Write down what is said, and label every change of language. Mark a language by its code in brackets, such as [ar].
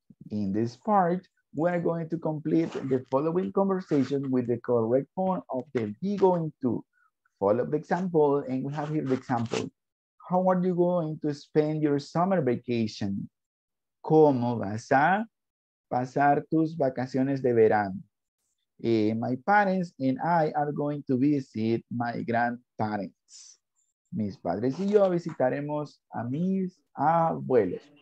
[en] In this part, we're going to complete the following conversation with the correct form of the be going to. Follow the example, and we have here the example. How are you going to spend your summer vacation? [es] ¿Cómo vas a pasar tus vacaciones de verano? [en] My parents and I are going to visit my grandparents. [es] Mis padres y yo visitaremos a mis abuelos.